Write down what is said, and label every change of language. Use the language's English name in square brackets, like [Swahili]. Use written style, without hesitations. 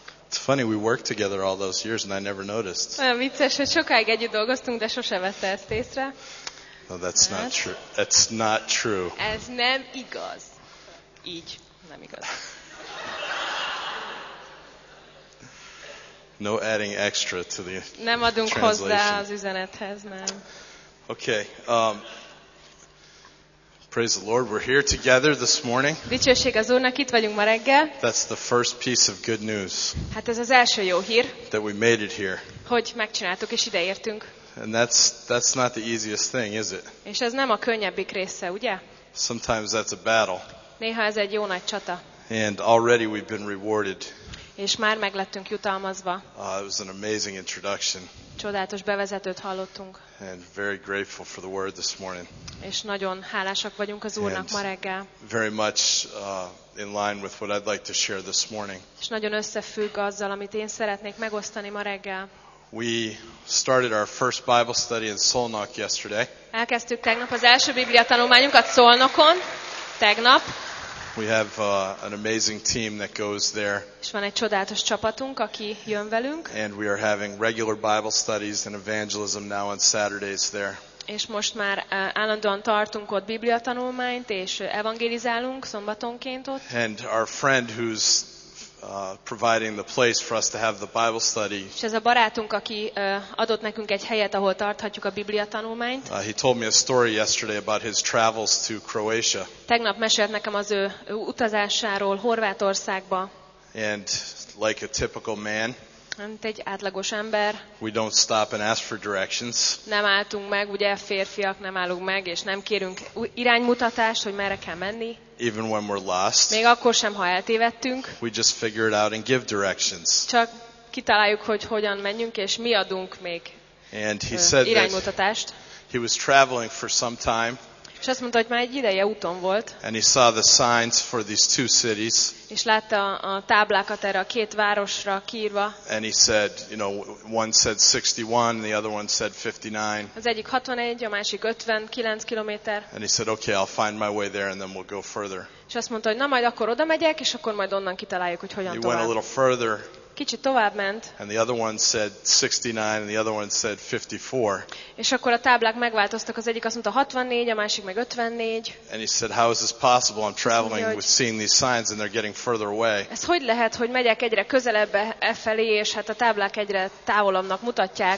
[English] It's funny, we worked together all those years and I never noticed. [Hungarian] Olyan vicces, hogy sokáig együtt dolgoztunk, de sose vette ezt észre. [English] No, that's not true. That's not true. [Hungarian] Ez nem igaz. Így nem igaz. [English] No adding extra to the translation. [Hungarian] Nem adunk hozzá az üzenethez, nem. [English] Okay. Praise the Lord. We're here together this morning. [Hungarian] Dicsőség az Úrnak, itt vagyunk ma reggel. [English] That's the first piece of good news. [Hungarian] Hát ez az első jó hír. [English] That we made it here. [Hungarian] Hogy megcsináltuk és ideértünk. [English] And that's not the easiest thing, is it? [Hungarian] És ez nem a könnyebbik része, ugye? [English] Sometimes that's a battle. [Hungarian] Néha ez egy jó nagy csata. [English] And already we've been rewarded. [Hungarian] És már meg lettünk jutalmazva. [English] It was an amazing introduction. [Hungarian] Csodálatos bevezetőt hallottunk. [English] And very grateful for the word this morning. [Hungarian] És nagyon hálásak vagyunk az Úrnak ma reggel. [English] Very much in line with what I'd like to share this morning. [Hungarian] És nagyon összefügg azzal, amit én szeretnék megosztani ma reggel. [English] We started our first Bible study in Szolnok yesterday. [Hungarian] Elkezdtük tegnap az első Biblia tanulmányunkat Szolnokon. Tegnap. [English] We have an amazing team that goes there. [Hungarian] És van egy csodálatos csapatunk, aki jön velünk. [English] And we are having regular Bible studies and evangelism now on Saturdays there. [Hungarian] És most már állandóan tartunk ott Biblia tanulmányt és evangelizálunk szombatonként ott. [English] And our friend who's providing the place for us to have the Bible study. [Hungarian] És ez a barátunk, aki adott nekünk egy helyet, ahol tarthatjuk a Biblia tanulmányt. [English] He told me a story yesterday about his travels to Croatia. [Hungarian] Tegnap mesélt nekem az ő utazásáról Horvátországba. [English] And like a typical man. [Hungarian] Mint egy átlagos ember. [English] We don't stop and ask for directions. [Hungarian] Nem álltunk meg, ugye férfiak nem állunk meg és nem kérünk iránymutatást, hogy merre kell menni. [English] Even when we're lost. [Hungarian] Még akkor sem, ha eltévedtünk. [English] We just figure it out and give directions. [Hungarian] Csak kitaláljuk, hogy hogyan menjünk és mi adunk még. [English] And he said [Hungarian] iránymutatást. [English] He was traveling for some time. [Hungarian] És azt mondta, hogy már egy ideje úton volt. [English] And he saw the signs for these two cities. [Hungarian] És látta a táblákat erre a két városra kiírva. [English] And he said, you know, one said 61, and the other one said 59. [Hungarian] Az egyik 61, a másik 59 kilométer. [English] And he said, okay, I'll find my way there, and then we'll go further. [Hungarian] És azt mondta, hogy na majd akkor oda megyek, és akkor majd onnan kitaláljuk, hogy hogyan [English] he [Hungarian] tovább. [English] He went a little further. [Hungarian] Kicsit tovább ment. [English] And the other one said 69 and the other one said 54. [Hungarian] És akkor a táblák megváltoztak, az egyik azt mondta 64, a másik meg 54. [English] And he said, how is this possible? I'm traveling with seeing these signs and they're getting further away. [Hungarian] Ez hogy lehet, hogy megyek egyre közelebb e felé, és hát a táblák egyre távolabbnak mutatják.